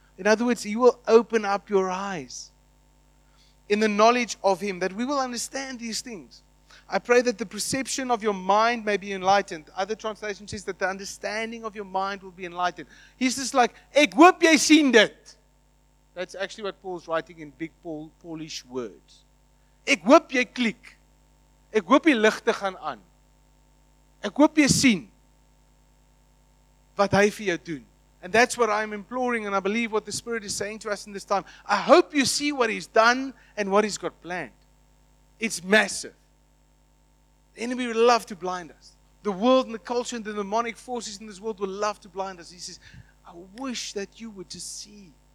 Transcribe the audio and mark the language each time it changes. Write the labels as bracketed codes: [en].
[en] In other words, He will open up your eyes in the knowledge of Him, that we will understand these things. I pray that the perception of your mind may be enlightened. Other translation says that the understanding of your mind will be enlightened. He's just like, [af] ek hoop jy sien dit. [en] That's actually what Paul's writing in big Paulish words. [af] Ek hoop jy klik. Ek hoop die ligte gaan aan. Ek hoop jy sien wat hy vir jou doen. [en] And that's what I'm imploring, and I believe what the Spirit is saying to us in this time. I hope you see what He's done and what He's got planned. It's massive. The enemy would love to blind us. The world and the culture and the demonic forces in this world would love to blind us. He says, I wish that you would just see.